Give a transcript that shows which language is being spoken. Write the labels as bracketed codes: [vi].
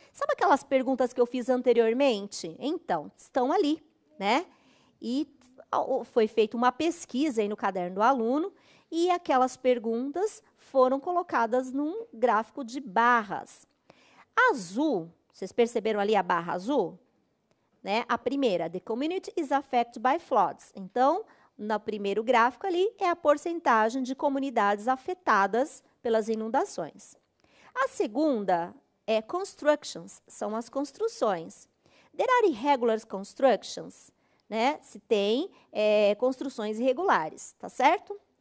[pt] Sabe aquelas perguntas que eu fiz anteriormente? Então, estão ali, né? E foi feita uma pesquisa aí no caderno do aluno e aquelas perguntas foram colocadas num gráfico de barras. Azul, vocês perceberam ali a barra azul? Né? A primeira, [en] the community is affected by floods. [pt] Então, no primeiro gráfico ali é a porcentagem de comunidades afetadas pelas inundações. A segunda é constructions, são as construções. [en] There are irregular constructions, [pt] né? Se tem construções irregulares, tá certo?